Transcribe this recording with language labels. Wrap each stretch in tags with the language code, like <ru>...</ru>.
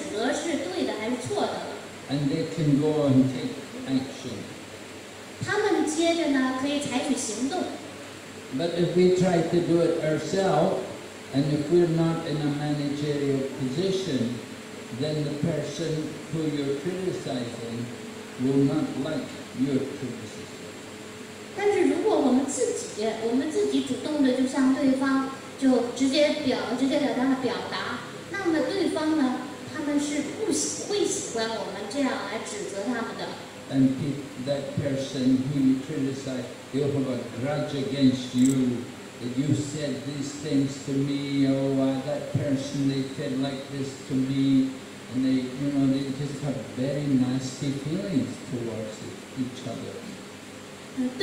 <zh>他们就可以告诉你，你对这个对方的指责是对的还是错的。</zh> <en>And they can go and take action.</en> <zh>他们接着呢，可以采取行动。</zh> <en>But if we try to do it ourselves, and if we're not in a managerial position, then the person who you're criticizing will not like your criticism.</en> <zh>但是如果我们自己主动的就向对方就直接表达了表达，那么对方呢？他们是不喜欢我们这样来指责他们的。</zh> <en>And that person who you criticize, they'll have a grudge against you. That you said these things to me. That person, they said like this to me. And they just have very nasty feelings towards each other.</en>